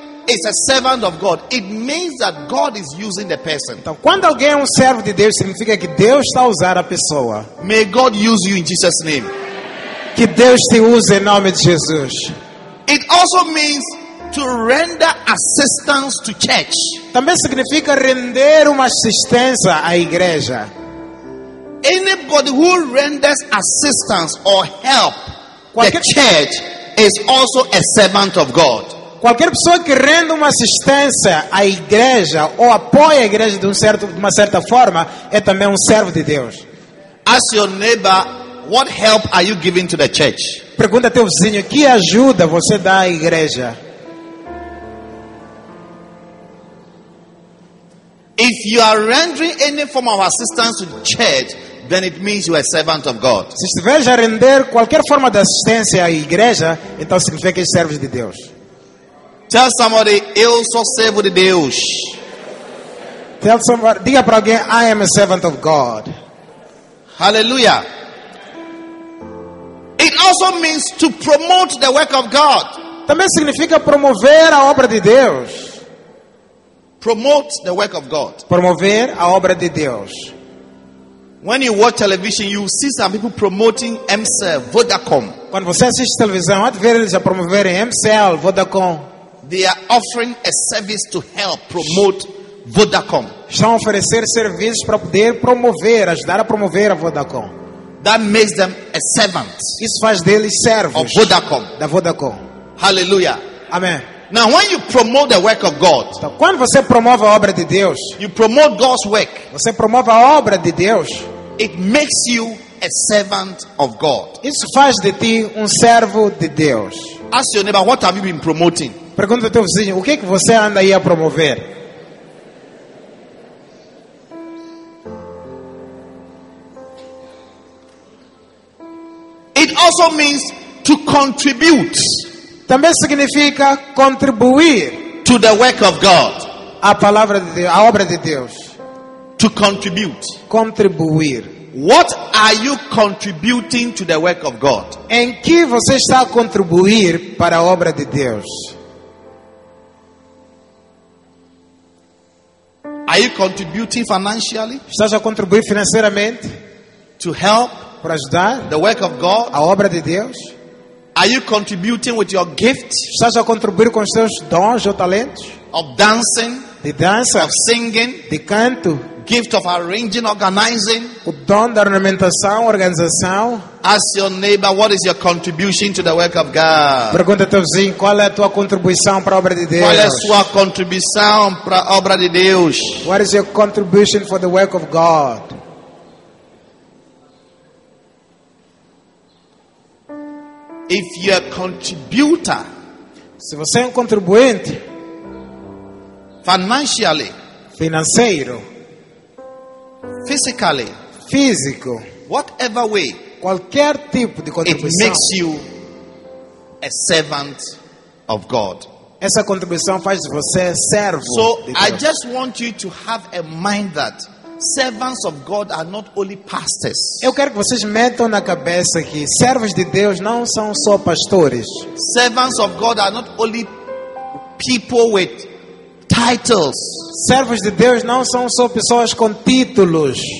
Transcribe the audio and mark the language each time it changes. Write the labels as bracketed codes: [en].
[en] is a servant of God, it means that God is using the person. [pt] Então, quando alguém é servo de Deus, significa que Deus está a usar a pessoa. [en] May God use you in Jesus' name. [pt] Que Deus te use em nome de Jesus. [en] It also means to render assistance to church. [pt] Também significa render uma assistência à igreja. [en] Anybody who renders assistance or help qualquer the church is also a servant of God. [pt] Qualquer pessoa que rende uma assistência à igreja ou apoia a igreja de uma certa forma é também servo de Deus. [en] Ask your neighbor, what help are you giving to the church? [pt] Pergunta ao teu vizinho, que ajuda você dá à igreja? [en] If you are rendering any form of assistance to the church, then it means you are a servant of God. [pt] Se estiver a render qualquer forma de assistência à igreja, então significa que é servo de Deus. [en] Tell somebody, [pt] eu sou servo de Deus. [en] Tell somebody, [pt] diga para alguém, [en] I am a servant of God. Hallelujah. It also means to promote the work of God. [pt] Também significa promover a obra de Deus. [en] Promote the work of God. [pt] Promover a obra de Deus. [en] When you watch television, you see some people promoting MCL, Vodacom. [pt] Quando você assiste televisão, há de ver eles a promoverem MCL, Vodacom. [en] They are offering a service to help promote Vodacom. [pt] Estão a oferecer serviços para poder promover, ajudar a promover a Vodacom. [en] That makes them a servant. [pt] Isso faz deles servos. [en] Of Vodacom. [pt] Da Vodacom. [en] Hallelujah. [pt] Amém. [en] Now, when you promote the work of God, [pt] então, quando você promove a obra de Deus, [en] you promote God's work, [pt] você promove a obra de Deus, [en] it makes you a servant of God. [pt] Isso faz de ti servo de Deus. [en] Ask your neighbor, what have you been promoting? [pt] Pergunta ao teu vizinho, o que você anda aí a promover? [en] It also means to contribute. [pt] Também significa contribuir [en] to the work of God. [pt] A palavra de Deus, a obra de Deus. [en] To contribute. [pt] Contribuir. [en] What are you contributing to the work of God? [pt] Em que você está a contribuir para a obra de Deus? [en] Are you contributing financially? [pt] Estás a contribuir financeiramente? [en] To help [pt] para ajudar [en] the work of God? [pt] A obra de Deus? [en] Are you contributing with your gift? [pt] Estás a contribuir com os seus dons ou talentos? [en] Of dancing, [pt] de dança, [en] of singing, [pt] de canto, [en] gift of arranging, organizing, [pt] o dom da ornamentação, organização. [en] Ask your neighbor, what is your contribution to the work of God? [pt] Pergunta ao teu vizinho, qual é a tua contribuição para a obra de Deus? Qual é a sua contribuição para a obra de Deus? [en] What is your contribution for the work of God? If you are a contributor, [pt] se você é contribuinte [en] financially, [pt] financeiro, [en] physically, [pt] físico, [en] whatever way, [pt] qualquer tipo de contribuição, [en] it makes you a servant of God. [pt] Essa contribuição faz de você servo. [en] So I just want you to have a mind that servants of God are not only pastors. [pt] Eu quero que vocês metam na cabeça que servos de Deus não são só pastores. [en] Servants of God are not only people with titles. [pt] Servos de Deus não são só pessoas com títulos.